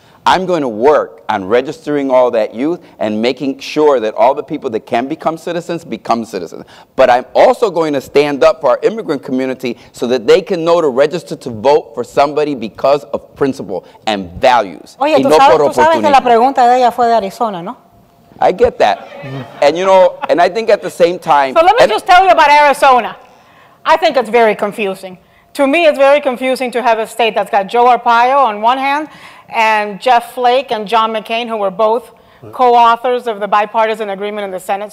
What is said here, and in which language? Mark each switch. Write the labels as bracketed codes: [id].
[en] I'm going to work on registering all that youth and making sure that all the people that can become citizens become citizens. But I'm also going to stand up for our immigrant community so that they can know to register to vote for somebody because of principle and values. [es] Oye, y tú no sabes, por oportunidad. Tú sabes que la pregunta de ella fue de Arizona, ¿no? [en] I get that. And you know, and I think at the same time. So let me just tell you about Arizona. I think it's very confusing. To me, it's very confusing to have a state that's got Joe Arpaio on one hand and Jeff Flake and John McCain, who were both co-authors of the bipartisan agreement in the Senate.